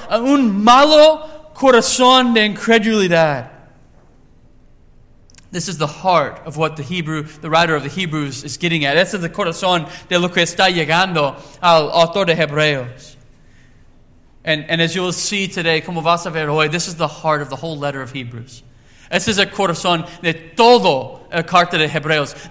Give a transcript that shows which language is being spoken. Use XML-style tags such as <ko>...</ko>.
<es>Un malo corazón de incredulidad.</es> <en>This is the heart of what the writer of the Hebrews is getting at. This is the</en> <es>corazón de lo que está llegando al autor de Hebreos.</es> <en>And as you will see today,</en> <es>como vas a ver hoy,</es> <en>this is the heart of the whole letter of Hebrews.</en> <es>Este es el corazón de todo la carta de Hebreos.</es>